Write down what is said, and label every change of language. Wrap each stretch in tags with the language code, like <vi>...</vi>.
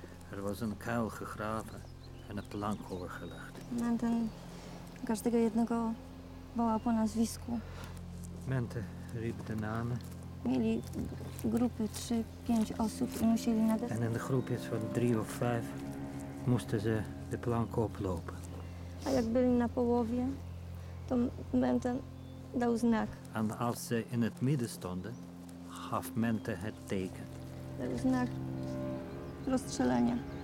<nl>Er was een kuil gegraven en een plank overgelegd.</nl> <pl>Mente, każdego jednego wołał po nazwisku.</pl> <nl>Mente riep de namen.</nl> <pl>Mieli grupy 3-5 osób i musieli nadesłać.</pl> <nl>En in de groepjes van 3 of 5 moesten ze de plank oplopen.</nl> <pl>A jak byli na połowie, to Mente dał znak.</pl> <nl>En als ze in het midden stonden, gaf Mente het teken. Dat is naar rozstrzelania.</nl>